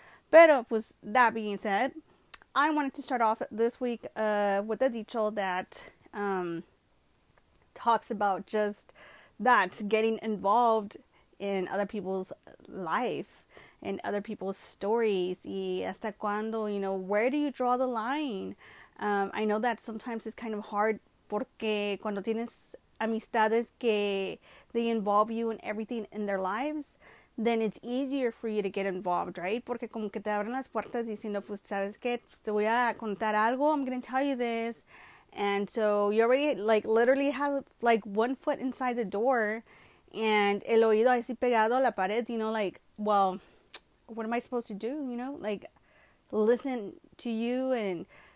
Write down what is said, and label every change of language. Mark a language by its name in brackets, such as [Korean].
[English] Pero pues, that being said, I wanted to start off this week with a dicho that talks about just that, getting involved in other people's life and other people's stories. [Spanish] Y hasta cuando, [English] you know, where do you draw the line? I know that sometimes it's kind of hard. [Spanish] Porque cuando tienes amistades que [English] they involve you in everything in their lives, then it's easier for you to get involved, right? [Spanish] Porque como que te abren las puertas diciendo, pues, ¿sabes qué? Pues te voy a contar algo. [English] I'm going to tell you this. And so you already, like, literally have, like, one foot inside the door and [Spanish] el oído así pegado a la pared, [English] you know, like, well, what am I supposed to do, you know? Like, listen to you and...